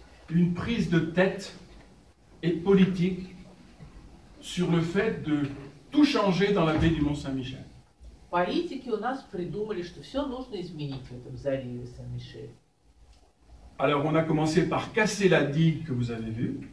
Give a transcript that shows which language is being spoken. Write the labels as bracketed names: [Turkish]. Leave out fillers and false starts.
[French] Une prise de tête et politique sur le fait de tout changer dans la baie du Mont-Saint-Michel. [Russian] Политики у нас придумали, что все нужно изменить в этом заливе Сен-Мишель. [French] Alors on a commencé par casser la digue que vous avez vue.